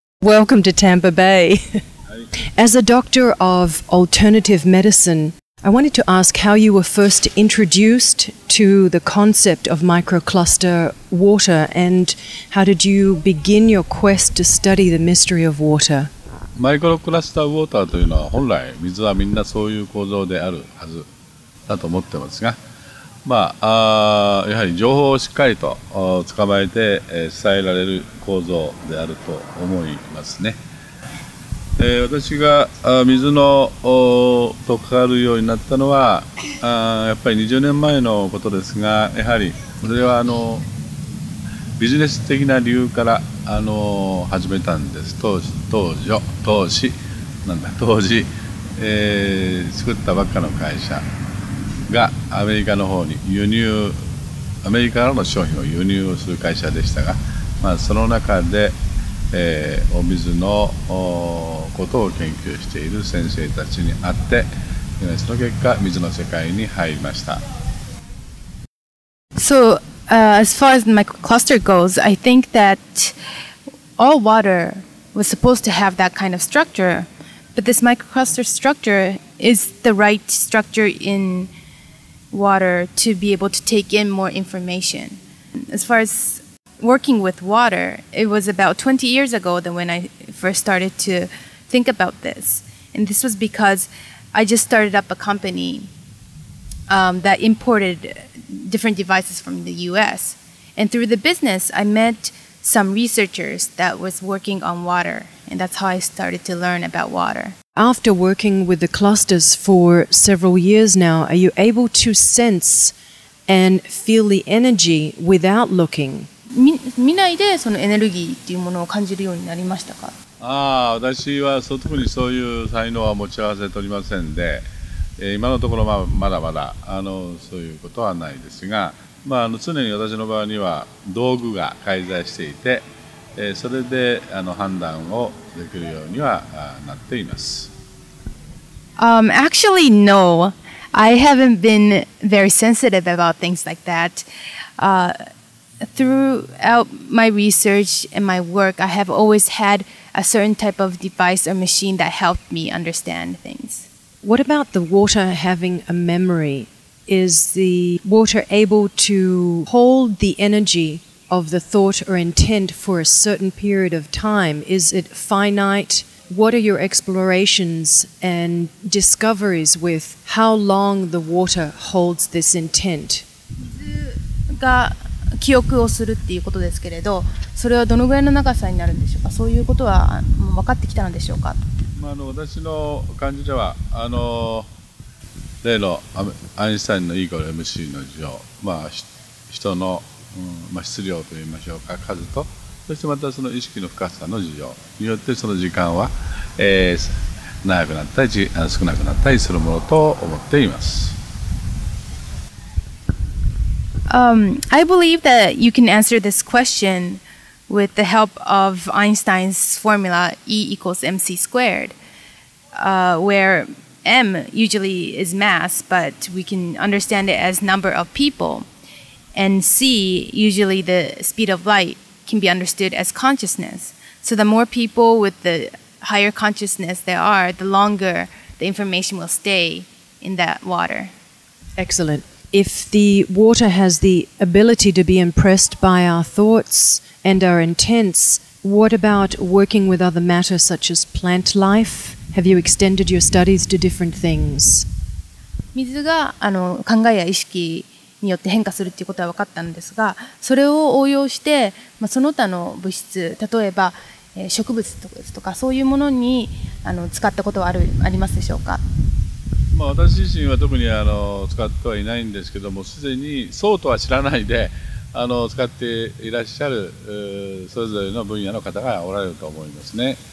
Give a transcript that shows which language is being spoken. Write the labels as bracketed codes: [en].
[en] Welcome to Tampa Bay. As a doctor of alternative medicine, I wanted to ask how you were first introduced to the concept of microcluster water, and how did you begin your quest to study the mystery of water? [ja] マイクロクラスターウォーターというのは本来水はみんなそういう構造であるはずだと思ってますが、まあ、やはり情報をしっかりと捕まえて伝えられる構造であると思いますね。私が水のと関わるようになったのはやっぱり20年前のことですが、やはりそれはビジネス的な理由から始めたんです。当時、作ったばっかの会社がアメリカの方に輸入、アメリカからの商品を輸入する会社でしたが、まあ、その中で、お水のことを研究している先生たちに会って、その結果水の世界に入りました。 [en] So, as far as my cluster goes, I think that all water was supposed to have that kind of structure, but this microcluster structure is the right structure in water to be able to take in more information. As far as working with water, it was about 20 years ago that when I first started to think about this. And this was because I just started up a company that imported different devices from the US. And through the business, I met some researchers that was working on water, and that's how I started to learn about water. After working with the clusters for several years now, are you able to sense and feel the energy without looking? [ja] 見ないでそのエネルギーというものを感じるようになりましたか？ああ、私は特にそういう才能は持ち合わせておりませんで、今のところまだまだそういうことはないですが、まあ、常に私の場合には道具が介在していて、それで判断をできるようにはなっています。 [en] Actually, no. I haven't been very sensitive about things like that. Throughout my research and my work, I have always had a certain type of device or machine that helped me understand things. What about the water having a memory? Is the water able to hold the energy of the thought or intent for a certain period of time? Is it finite? What are your explorations and discoveries with how long the water holds this intent? [ja] 水が記憶をするっていうことですけれど、それはどのぐらいの長さになるんでしょうか？そういうことは分かってきたのでしょうか？私の感じでは、例のアインシュタインの E=MC の図、まあ、人の、質量といいましょうか、数と、そしてまたその意識の深さの図によって、その時間は、長くなったり少なくなったりするものと思っています。 [en] I believe that you can answer this question with the help of Einstein's formula E=MC², where M usually is mass, but we can understand it as number of people. And C, usually the speed of light, can be understood as consciousness. So the more people with the higher consciousness there are, the longer the information will stay in that water. Excellent. If the water has the ability to be impressed by our thoughts and our intents, what about working with other matter such as plant life? Have you extended your studies to different things? [ja] 水が考えや意識によって変化するということは分かったんですが、それを応用して、まあ、その他の物質、例えば植物とかそういうものに使ったことはありますでしょうか？まあ、私自身は特に使ってはいないんですけども、すでにそうとは知らないで使っていらっしゃるそれぞれの分野の方がおられると思いますね。